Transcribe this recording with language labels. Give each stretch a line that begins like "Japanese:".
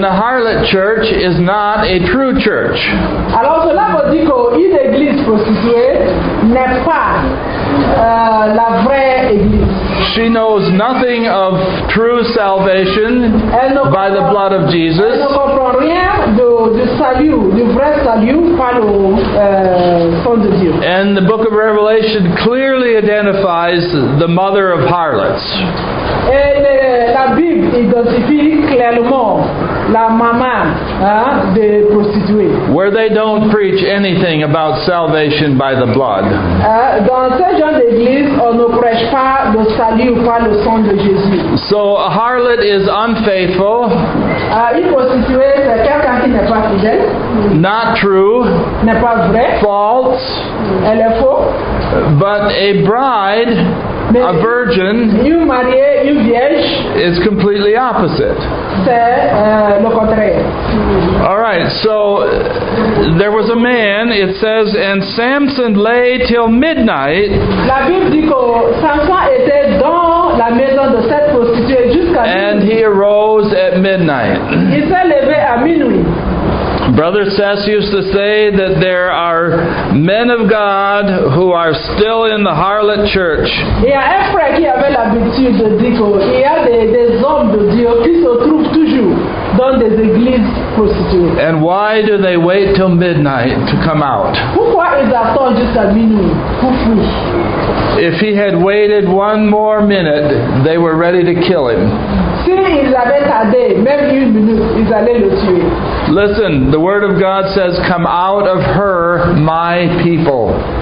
English: And a harlot church is not a true church.
French: Alors cela veut dire qu'une église prostituée n'est pas la vraie église.
English: She knows nothing of true salvation by the blood of Jesus.
French: Elle ne comprend rien du salut, du vrai salut par le sang de Dieu.
English: And the book of Revelation clearly identifies the mother of harlots.
French: Et la Bible identifie clairement la maman des prostituées.
English: Where they don't preach anything about salvation by the blood.
French: Dans ce genre d'église, on ne prêche pas de salut par le sang de Jésus.
English: So a harlot is unfaithful.
French: Une prostituée, c'est quelqu'un qui n'est pas fidèle.
English: Not true.
French: N'est pas vrai.
English: False.
French: Elle est faux.
English: But a bride,
French: mais
English: a virgin,
French: une mariée, une vierge,
English: is completely opposite.
French: C'est le contraire.
English: All right, so there was a man, it says, and Samson lay till midnight.
French: La Bible dit que Samson était dans la maison de cette prostituée jusqu'à minuit.
English: And he arose at midnight.
French: Il s'est levé à minuit.
English: Brother Sess used to say that there are men of God who are still in the harlot church.
French: Il y a un frère qui avait l'habitude de dire qu'il y a des hommes de Dieu qui se trouvent toujours dans des églises prostituées.
English: And why do they wait till midnight to come out?
French: Pourquoi ils attendent jusqu'à minuit pour fuir?
English: If he had waited one more minute, they were ready to kill him.
French: S'ils avaient tardé, même une minute, ils allaient le tuer.
English: Listen, the word of God says, come out of her, my people.